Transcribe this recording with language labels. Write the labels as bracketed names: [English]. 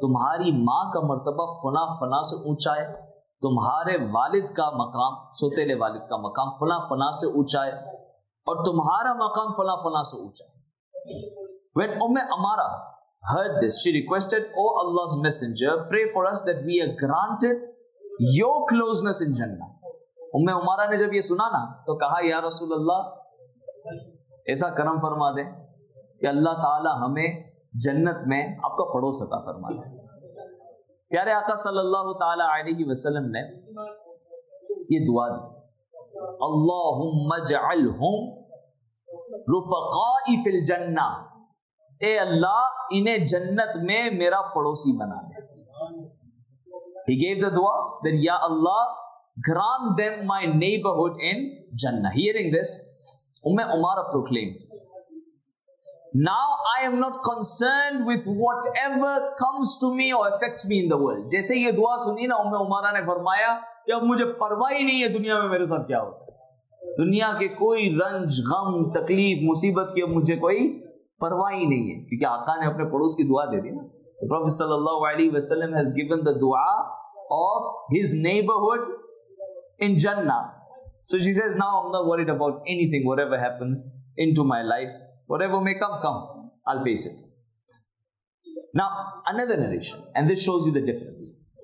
[Urdu] تمہاری ماں کا مرتبہ فنا فنا سے اونچا ہے, تمہارے والد کا مقام سوتےلے والد کا مقام فنا فنا سے اونچا ہے, اور تمہارا مقام فنا فنا سے اونچا ہے. [English] When Umm Amara heard this, she requested, O Allah's messenger, pray for us that we are granted your closeness in Jannah. [Urdu] Umm Amara نے جب یہ سنا نا تو کہا, یا رسول اللہ ایسا کرم فرما دے کہ اللہ تعالی ہمیں جنت میں آپ کا پڑوس عطا فرما دے. پیارے آقا صلی اللہ تعالی علیہ وسلم نے یہ دعا دی, [Arabic] اللہم اجعلہم رفقاء فی الجنہ, [Urdu] اے اللہ انہیں جنت میں میرا پڑوسی بنا دے. [English] He gave the دعا that یا اللہ grant them my neighborhood in Jannah. Hearing this, Umm Amara proclaimed, Now I am not concerned with whatever comes to me or affects me in the world. [Urdu] جیسے یہ دعا سنی نا Umm Amara نے فرمایا کہ اب مجھے پرواہ ہی نہیں ہے دنیا میں میرے ساتھ کیا ہوتا, دنیا کے کوئی رنج غم تکلیف مصیبت کی اب مجھے کوئی پرواہ ہی نہیں ہے, کیونکہ آقا نے اپنے پڑوس کی دعا دے دی نا. [English] The Prophet صلی اللہ علیہ وسلم has given the دعا of his neighborhood in Jannah. So she says, now I'm not worried about anything, whatever happens into my life. Whatever may come, come. I'll face it. Now, another narration, and this shows you the difference.